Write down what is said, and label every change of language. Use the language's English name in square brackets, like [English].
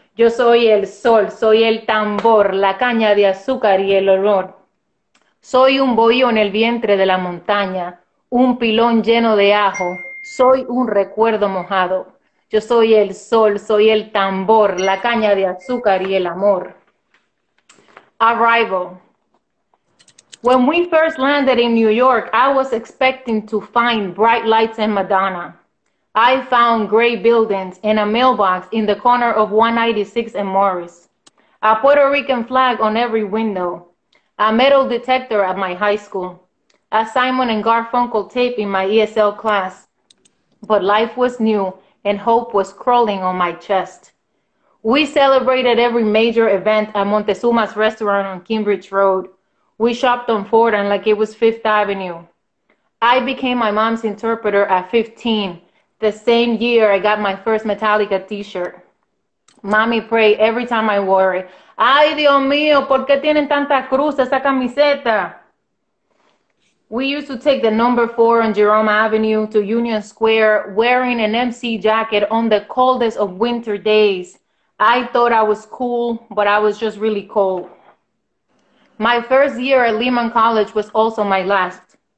[Spanish] Yo soy el sol, soy el tambor, la caña de azúcar y el olor. Soy un bohío en el vientre de la montaña, un pilón lleno de ajo, soy un recuerdo mojado. Yo soy el sol, soy el tambor, la caña de azúcar y el amor. [English] Arrival. When we first landed in New York, I was expecting to find bright lights and Madonna. I found gray buildings and a mailbox in the corner of 196 and Morris. A Puerto Rican flag on every window. A metal detector at my high school. A Simon and Garfunkel tape in my ESL class. But life was new and hope was crawling on my chest. We celebrated every major event at Montezuma's restaurant on Cambridge Road. We shopped on Fordham like it was Fifth Avenue. I became my mom's interpreter at 15, the same year I got my first Metallica t-shirt. Mommy prayed every time I wore it. [Spanish] Ay, Dios mío, ¿por qué tienen tanta cruz esa camiseta? [English] We used to take the number 4 on Jerome Avenue to Union Square, wearing an MC jacket on the coldest of winter days. I thought I was cool, but I was just really cold. My first year at Lehman College was also my last.